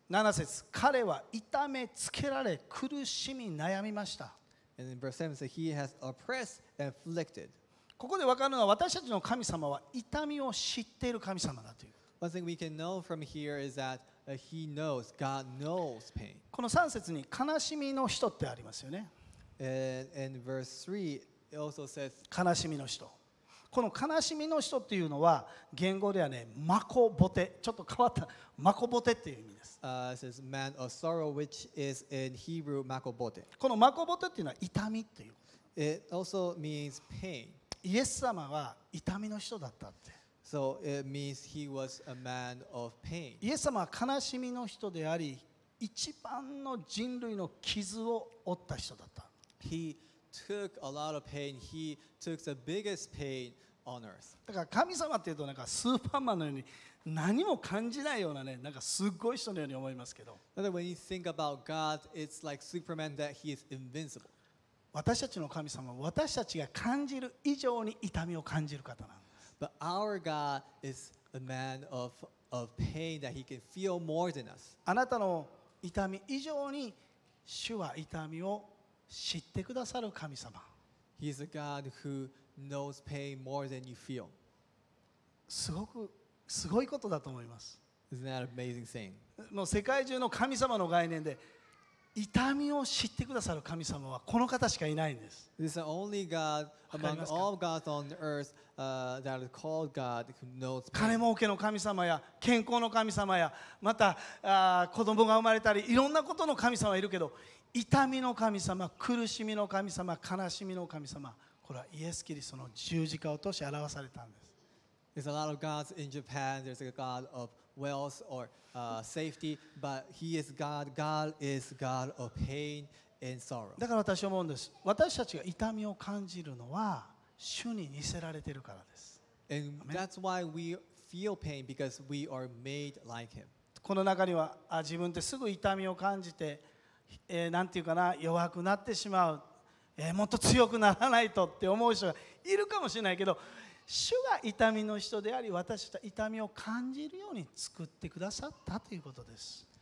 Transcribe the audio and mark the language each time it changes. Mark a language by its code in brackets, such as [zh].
[ja] 7節、彼は痛めつけられ、苦しみ悩みました。 [en] And in verse 7 says, he has oppressed and afflicted. [ja] ここで分かるのは、私たちの神様は痛みを知っている神様だという。 [en] One thing we can know from here is that He knows, God knows pain. [ja] この3節に悲しみの人ってありますよね。 [en] And verse 3 it also says [ja] 悲しみの人。この悲しみの人っていうのは言語ではね、マコボテ、ちょっと変わったマコボテっていう意味です。 [en] It says man of sorrow, which is in Hebrew マコボテ。 [ja] このマコボテっていうのは痛みっていう。 [en] It also means pain. [ja] イエス様は痛みの人だったって。 [en] So it means he was a man of pain. [ja] イエス様は悲しみの人であり、一番の人類の傷を負った人だった。 [en] He took a lot of pain. He took the biggest pain on earth. [ja] だから神様っていうとなんかスーパーマンのように何も感じないようなね、なんかすごい人のように思いますけど。 [en] But when you think about God, it's like Superman that he is invincible. [ja] 私たちの神様は私たちが感じる以上に痛みを感じる方なんです。 [en] But our God is a man of pain that he can feel more than us. [ja] あなたの痛み以上に主は痛みを知ってくださる神様。 [en] He is a God who knows pain more than you feel. [ja] すごいことだと思います。 [en] Isn't that an amazing thing? [ja] もう世界中の神様の概念で痛みを知ってくださる神様はこの方しかいないんです。 [en] This is the only God among all gods on earth, that is called God who knows pain. [ja] 金儲けの神様や健康の神様やまた子供が生まれたりいろんなことの神様いるけど痛みの神様、苦しみの神様、悲しみの神様、これはイエス・キリストの十字架を通し表されたんです。 [en] There's a lot of gods in Japan. There's a god of wealth or safety, but he is God. God is God of pain and sorrow. [ja] だから私思うんです。私たちが痛みを感じるのは主に似せられてるからです。 [en] And that's why we feel pain because we are made like him. [ja] この中には自分ってすぐ痛みを感じて、なんていうかな弱くなってしまう、もっと強くならないとって思う人がいるかもしれないけど。主が痛みの人であり、私たち痛みを感じるように作ってくださったということです。